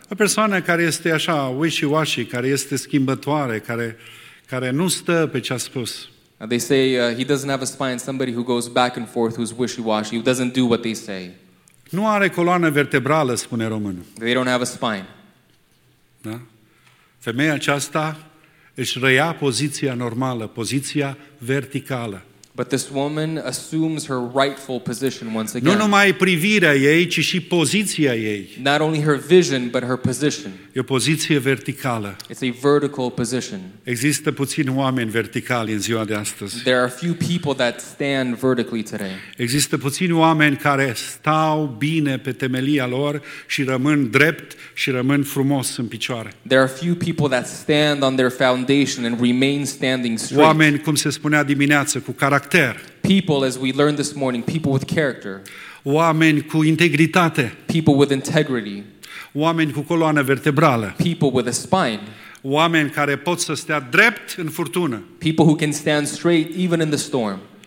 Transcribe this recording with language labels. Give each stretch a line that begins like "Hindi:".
Romanian: O persoană care este așa
English: wishy-washy,
Romanian: care este schimbătoare, care nu stă pe ce a spus.
English: They say he doesn't have a spine, somebody who goes back and forth, who's wishy-washy, who doesn't do what they say.
Romanian: Nu are coloană vertebrală, spune românul.
English: They don't have a spine.
Romanian: Da? Femeia aceasta își reia poziția normală, poziția verticală.
English: But this woman assumes her rightful position once again.
Romanian: Nu numai privirea ei, ci și poziția ei.
English: Not only her vision, but her position.
Romanian: E o poziție verticală.
English: It's a vertical position.
Romanian: Există puțini oameni verticali în ziua de astăzi.
English: There are few people that stand vertically today.
Romanian: Există puțini oameni care stau bine pe temelia lor și rămân drept și rămân frumos în picioare.
English: There are few people that stand on their foundation and remain standing straight.
Romanian: Oameni, cum se spunea dimineață, cu caracter.
English: People, as we learned this morning, people with character.
Romanian: Oameni cu integritate.
English: People with integrity.
Romanian: Oameni cu coloană vertebrală.
English: People with a spine.
Romanian: Oameni care pot să stea drept în furtună.
English: People who can stand straight even in the storm.